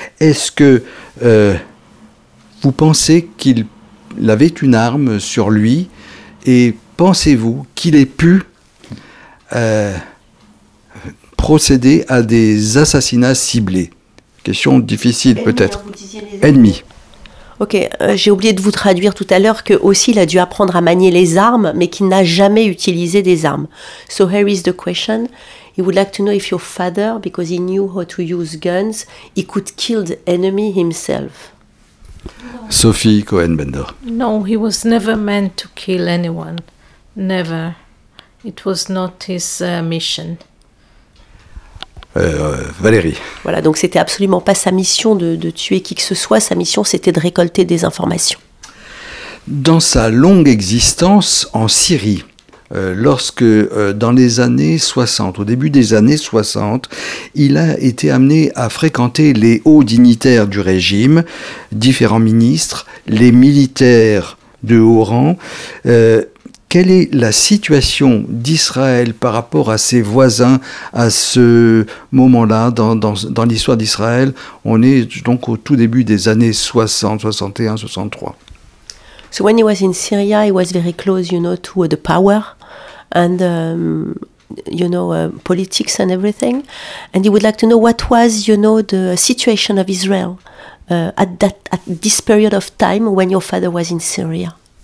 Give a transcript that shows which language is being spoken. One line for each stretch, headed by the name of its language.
French: Est-ce que vous pensez qu'il avait une arme sur lui, et pensez-vous qu'il ait pu procéder à des assassinats ciblés? Question difficile ennemis, peut-être. Vous disiez les ennemis. Ok, j'ai oublié de vous traduire tout à l'heure que aussi il a dû apprendre à manier les armes, mais qu'il n'a jamais utilisé des armes.
English: So here is the question. He would like to know if your father, because he knew how to use guns, he could kill the enemy himself. No. Sophie Cohen-Bender. No, he was never meant to kill anyone. Never. It was not his mission.
French: Valérie. Voilà, donc c'était absolument pas sa mission de tuer qui que ce soit, sa mission c'était de récolter des informations. Dans sa longue existence en Syrie, lorsque dans les années 60, au début des années 60, il a été amené à fréquenter les hauts dignitaires du régime, différents ministres, les militaires de haut rang, quelle est la situation d'Israël par rapport à ses voisins à ce moment-là dans l'histoire d'Israël? On est donc au tout début des années 60, 61, 63.
English: So when he was in Syria, he was very close, you know, to the power and you know, politics and everything. And he would like to know what was, you know, the situation of Israel at this period of time when your father was in Syria.